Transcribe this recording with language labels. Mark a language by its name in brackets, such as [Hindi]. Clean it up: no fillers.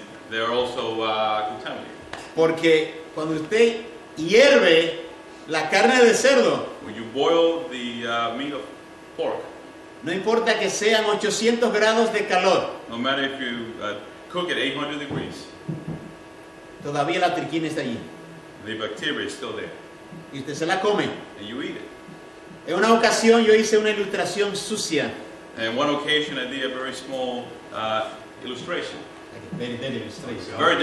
[English] They're also contaminated. [Spanish] Porque cuando usted hierve la carne de cerdo, [English] when you boil the meat of pork, [Spanish] no importa que sean 800 grados de calor, [English] no matter if you cook at 800 degrees, [Spanish] todavía la triquina está allí. [English] The bacteria is still there. [Spanish] Y usted se la come. [English] And you eat it. [Spanish] En una ocasión yo hice una ilustración sucia. [English] In one occasion I did a very small illustration. Very, very illustration.